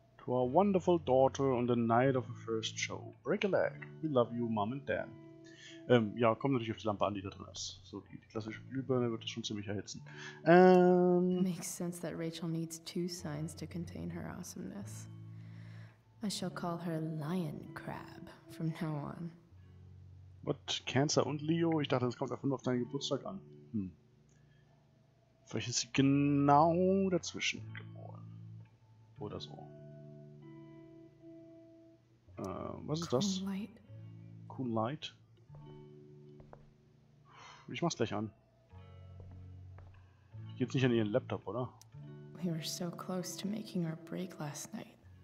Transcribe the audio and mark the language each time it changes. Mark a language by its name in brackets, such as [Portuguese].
[English] To our wonderful daughter on the night of her first show. Break a leg. We love you, Mom and Dan. [German] Ja, kommt natürlich auf die Lampe an, die da drin ist. So, die klassische Glühbirne wird das schon ziemlich erhitzen. [English] Makes sense that Rachel needs two signs to contain her awesomeness. I shall call her Lion Crab from now on. What? Cancer und Leo? [German] Ich dachte, das kommt einfach nur auf deinen Geburtstag an. Hm. Vielleicht ist sie genau dazwischen geboren. Oder so. Was ist cool das? [English] Cool Light. Cool Light. [German] Ich mach's gleich an. Ich geh jetzt nicht an ihren Laptop, oder? [English] We were so close to making our break last night.